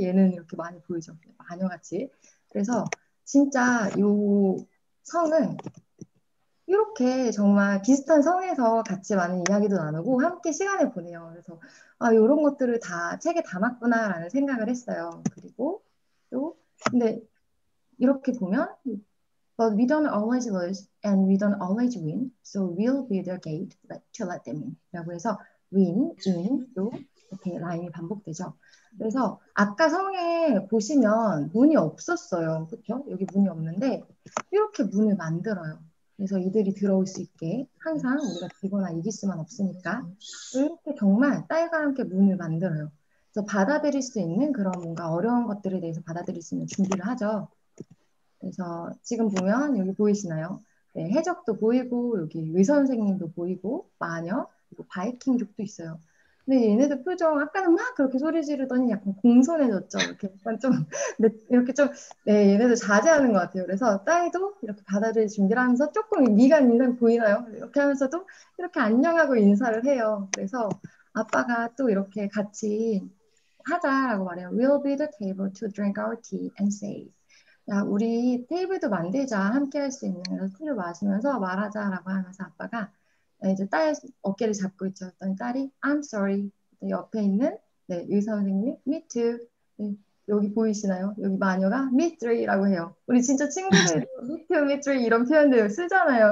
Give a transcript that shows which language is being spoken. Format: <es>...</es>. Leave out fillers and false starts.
<ko>얘는 이렇게 많이 보이죠. 마녀같이. 그래서 진짜 요 성은 이렇게 정말 비슷한 성에서 같이 많은 이야기도 나누고 함께 시간을 보내요. 그래서 아, 이런 것들을 다 책에 담았구나라는 생각을 했어요. 그리고 또 근데 이렇게 보면</ko> <en>But we don't always lose and we don't always win, so we'll build a gate to let them in.</en> <ko>라고 해서 win, in, 또 이렇게 라임이 반복되죠. 그래서 아까 성에 보시면 문이 없었어요. 그렇죠? 여기 문이 없는데 이렇게 문을 만들어요. 그래서 이들이 들어올 수 있게 항상 우리가 지거나 이길 수만 없으니까 이렇게 정말 딸과 함께 문을 만들어요. 그래서 받아들일 수 있는 그런 뭔가 어려운 것들에 대해서 받아들일 수 있는 준비를 하죠. 그래서 지금 보면 여기 보이시나요? 네, 해적도 보이고 여기 의선생님도 보이고 마녀 그리고 바이킹족도 있어요. 근데 얘네들 표정 아까는 막 그렇게 소리 지르더니 약간 공손해졌죠. 이렇게 약간 좀 네, 이렇게 좀 네, 얘네들 자제하는 것 같아요. 그래서 딸도 이렇게 받아들일 준비를 하면서 조금 미간 있는 보이나요? 이렇게 하면서도 이렇게 안녕하고 인사를 해요. 그래서 아빠가 또 이렇게 같이 하자라고 말해요.</ko> <en>We'll be the table to drink our tea and say.</en> <ko>야, 우리 테이블도 만들자. 함께 할수 있는 그래서 술을 마시면서 말하자라고 하면서 아빠가 이제 딸 어깨를 잡고 있죠. 어떤 딸이</ko> <en>I'm sorry.</en> <ko>옆에 있는 네, 의사 선생님,</ko> <en>me too.</en> <ko>네, 여기 보이시나요? 여기 마녀가 미트리라고 해요. 우리 진짜 친구들도 미트리 이런 표현들 쓰잖아요.</ko>